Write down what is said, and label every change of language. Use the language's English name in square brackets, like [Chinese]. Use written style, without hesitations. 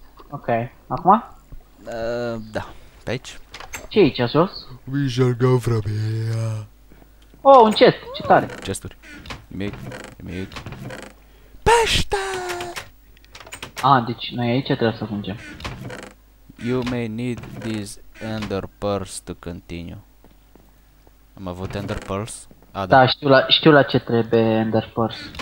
[Romanian] Ok, acum? Da, pe aici. Ce e aici, jos? [English] We shall go from here. [Romanian] Oh, un chest, ce tare. Chesturi. Nimic, nimic. Pește! Ah, deci noi aici trebuie să fungem. [English] You may need these ender pearls to continue. [Romanian] Am avut ender pearls? Da, știu la ce trebuie ender pearls.